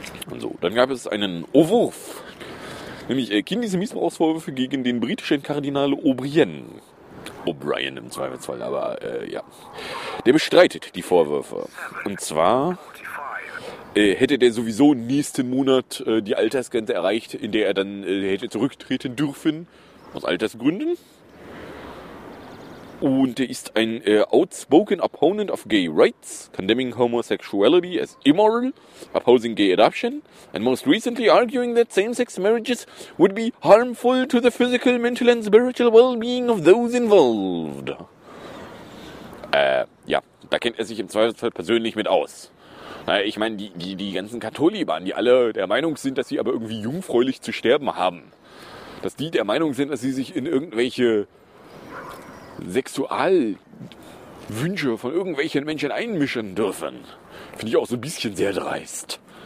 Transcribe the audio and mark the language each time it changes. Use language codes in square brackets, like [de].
[de] Und so, dann gab es einen Wurf, nämlich kindliche Missbrauchsvorwürfe gegen den britischen Kardinal O'Brien im Zweifelsfall, aber ja, der bestreitet die Vorwürfe. Und zwar Hätte der sowieso nächsten Monat die Altersgrenze erreicht, in der er dann hätte zurücktreten dürfen, aus Altersgründen. [en] Und er ist ein outspoken opponent of gay rights, condemning homosexuality as immoral, opposing gay adoption, and most recently arguing that same-sex marriages would be harmful to the physical, mental and spiritual well-being of those involved. [de] Ja, da kennt er sich im Zweifelsfall persönlich mit aus. Ich meine, die ganzen Katholiken, die alle der Meinung sind, dass sie aber irgendwie jungfräulich zu sterben haben, dass die der Meinung sind, dass sie sich in irgendwelche Sexualwünsche von irgendwelchen Menschen einmischen dürfen, finde ich auch so ein bisschen sehr dreist.